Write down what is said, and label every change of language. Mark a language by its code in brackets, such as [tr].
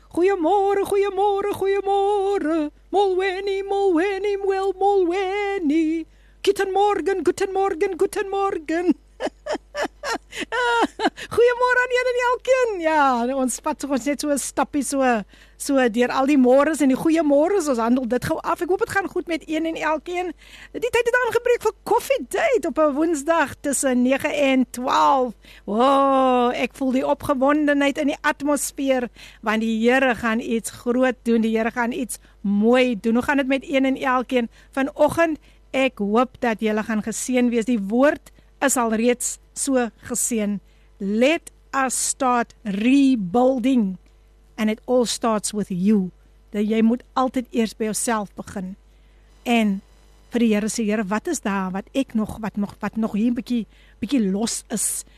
[af] Goeiemôre, goeiemôre, goeiemôre. [xh] Molweni, molweni, well, molweni. [de] Guten Morgen, guten Morgen, guten Morgen. [af] Goeiemôre aan julle en elkeen. Ja, ons vat ons net so 'n stappie so deur al die môres en die goeiemôres. Ons handel dit gou af. Ek hoop dit gaan goed met een en elkeen. Die tyd het aangebreek vir koffiedate op 'n Woensdag tussen 9 en 12. Wow, ek voel die opgewondenheid in die atmosfeer, want die Here gaan iets groot doen. Die Here gaan iets mooi doen. Hoe gaan dit met een en elkeen vanoggend? Ek hoop dat julle gaan geseën wees. Die woord is al reeds so geseën. [en] Let us start rebuilding. And it all starts with you. [af] Dat jy moet altyd eers by jouself begin. En vir die Here sê, Here, wat is daar wat nog hier 'n bietjie los is?